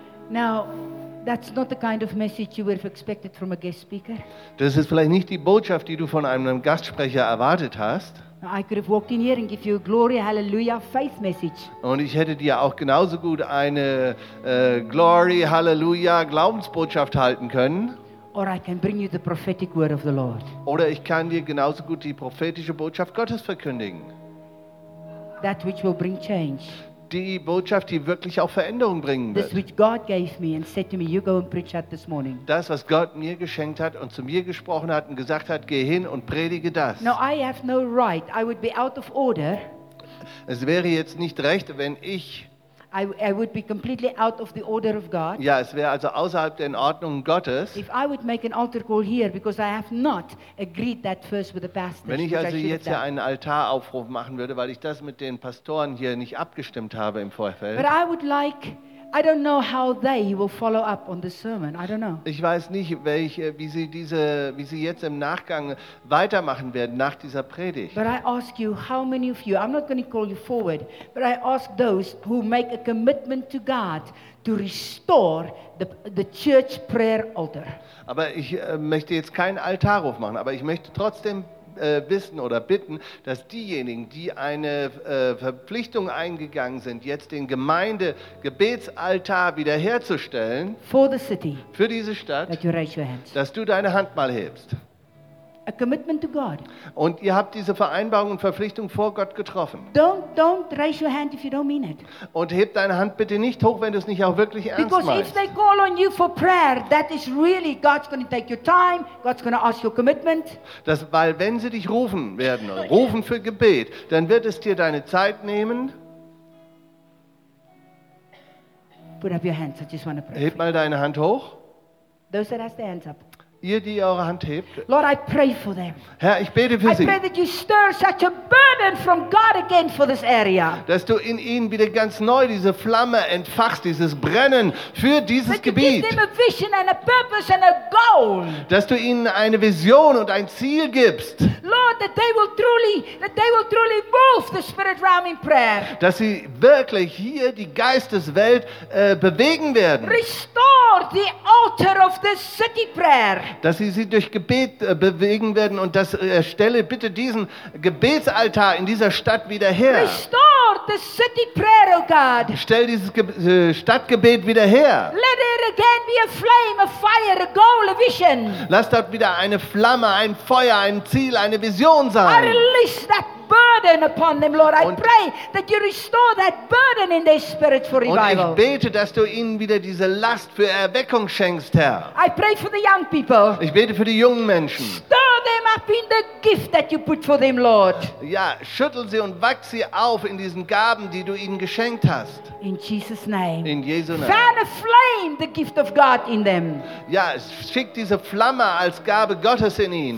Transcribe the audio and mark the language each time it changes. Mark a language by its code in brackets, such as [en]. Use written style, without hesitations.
[en] Now, that's not the kind of message you would have expected from a guest speaker. [de] Das ist vielleicht nicht die Botschaft, die du von einem Gastsprecher erwartet hast. [en] I could have walked in here and give you a glory, hallelujah, faith message. [de] Und ich hätte dir auch genauso gut eine [en] glory, hallelujah, [de] Glaubensbotschaft halten können. [en] Or I can bring you the prophetic word of the Lord. [de] Oder ich kann dir genauso gut die prophetische Botschaft Gottes verkündigen. [en] That which will bring change. [de] Die Botschaft, die wirklich auch Veränderung bringen wird. [en] This which God gave me and said to me, you go and preach that this morning. [de] Das, was Gott mir geschenkt hat und zu mir gesprochen hat und gesagt hat, geh hin und predige das. [en] Now I have no right. I would be out of order. [de] Es wäre jetzt nicht recht, wenn ich [en] I would be completely out of the order of God. [de] Ja, es wäre also außerhalb der Ordnung Gottes. [en] If I would make an altar call here because I have not agreed that first with the pastors. [de] Wenn ich also jetzt hier einen Altaraufruf machen würde, weil ich das mit den Pastoren hier nicht abgestimmt habe im Vorfeld. [en] But I would like I don't know how they will follow up on the sermon. I don't know. [de] Ich weiß nicht, wie sie jetzt im Nachgang weitermachen werden nach dieser Predigt. [en] But I ask you, how many of you? I'm not going to call you forward, but I ask those who make a commitment to God to restore the church prayer altar. [de] Aber ich möchte jetzt keinen Altarruf machen, aber ich möchte trotzdem wissen oder bitten, dass diejenigen, die eine Verpflichtung eingegangen sind, jetzt den Gemeindegebetsaltar wiederherzustellen, [en] for the city, [de] für diese Stadt, [en] that you raise your hands, [de] dass du deine Hand mal hebst. [en] A commitment to God. [de] Und ihr habt diese Vereinbarung und Verpflichtung vor Gott getroffen. [en] Don't raise your hand if you don't mean it. [de] Und hebt deine Hand bitte nicht hoch, wenn du es nicht auch wirklich ernst [en] Because [de] meinst. [en] Because if they call on you for prayer, that is really God's going to take your time. God's going to ask your commitment. [de] Das, weil wenn sie dich rufen werden, rufen für Gebet, dann wird es dir deine Zeit nehmen. [en] Put up your hands. I just want to pray. [de] Hebt mal deine Hand hoch. [en] Those that have their hands up. [de] Ihr, die eure Hand hebt. [en] Lord, I pray for them. [de] Herr, ich bete für sie. [en] I pray that you stir such a burden from God again for this area. [de] Dass du in ihnen wieder ganz neu diese Flamme entfachst, dieses Brennen für dieses [en] that [de] Gebiet. [en] You give them a vision and a purpose and a goal. [de] Dass du ihnen eine Vision und ein Ziel gibst. [en] Lord, that they will truly move the spirit realm in prayer. [de] Dass sie wirklich hier die Geisteswelt bewegen werden. [en] Restore the altar of the city prayer. [de] Dass sie durch Gebet bewegen werden und dass erstelle bitte diesen Gebetsaltar in dieser Stadt wieder her. [en] Restore the city prayer, oh God. [de] Stell dieses Stadtgebet wieder her. [en] Let it again be a flame, a fire, a goal, a vision. [de] Lass dort wieder eine Flamme, ein Feuer, ein Ziel, eine Vision sein. [en] I release that burden upon them, Lord. I pray that you restore that burden in their spirit for revival. [de] Und ich bete, dass du ihnen wieder diese Last für Erweckung schenkst, Herr. [en] I pray for the young people. [de] Ich bete für die jungen Menschen. [en] Stir them up in the gift that you put for them, Lord. [de] Ja, schüttel sie und wach sie auf in diesen Gaben, die du ihnen geschenkt hast. [en] In Jesus' name. [de] In Jesu Namen. [en] Fan a flame, the gift of God in them. [de] Ja, schick diese Flamme als Gabe Gottes in ihn.